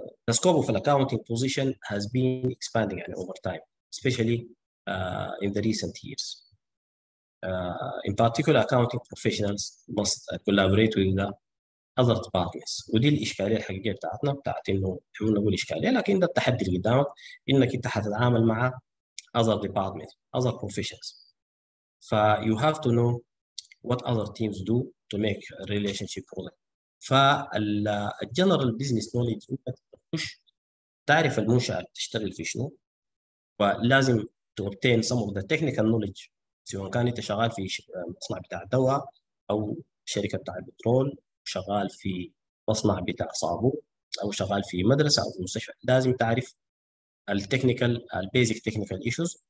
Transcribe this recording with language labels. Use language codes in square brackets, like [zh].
[en] The scope of accounting position has been expanding over time, especially in the recent years. In particular, accounting professionals must collaborate with the other departments. [ar] ودي الإشكالية الحقيقية بتاعتنا، بتاعت إنه حنا نقول إشكالية، لكن ده التحدي اللي قدامك، إنك أنت حتتعامل مع [en] other departments, other professionals. ف you have to know what other teams do to make a relationship work. [ar] فالجنرال بيزنس نوليدج انت تخش تعرف المنشأة تشتغل في شنو، ولازم تبتين [en] some of the technical knowledge [ar] سواء كان انت شغال في مصنع بتاع دواء او شركة بتاع البترول، شغال في مصنع بتاع صابون او شغال في مدرسة او في مستشفى، لازم تعرف التكنيكال البيزك تكنيكال ايشوز.